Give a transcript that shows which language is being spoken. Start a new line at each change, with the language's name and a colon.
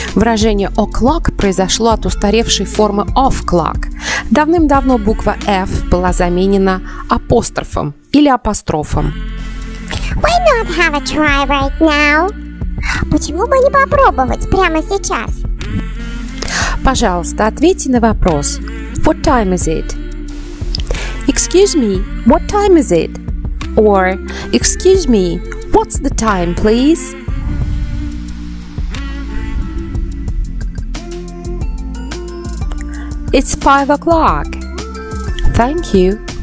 Russian: Выражение o'clock произошло от устаревшей формы of clock. Давным-давно буква F была заменена апострофом или апострофом.
English: Why not have a try right now?
Russian: Почему бы не попробовать прямо сейчас? Пожалуйста, ответьте на вопрос.
English: What time is it? Excuse me, what time is it? Or, excuse me, what's the time, please? It's 5 o'clock. Thank you.